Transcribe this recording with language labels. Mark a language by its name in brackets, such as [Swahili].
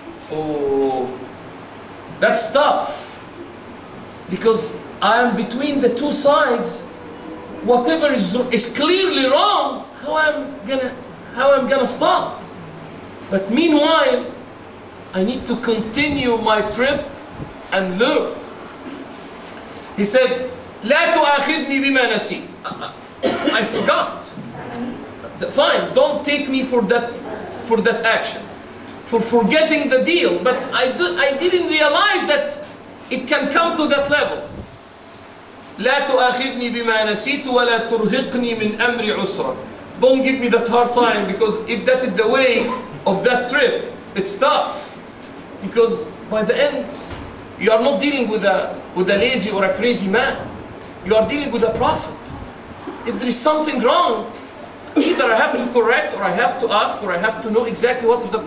[English] Oh, that's tough. Because I am between the two sides. Whatever is clearly wrong, how I'm gonna stop? But meanwhile, I need to continue my trip and learn. He said, [Arabic] لا تؤاخذني بما نسي. [English] I forgot. Fine, don't take me for that action, for forgetting the deal. But I didn't realize that it can come to that level. [Arabic] لا تؤاخذني بما نسيت ولا ترهقني من أمر عسرا. [English] Don't give me that hard time, because if that is the way of that trip, it's tough. Because by the end, you are not dealing with a lazy or a crazy man. You are dealing with a prophet. If there is something wrong, either I have to correct, or I have to ask, or I have to know exactly what the...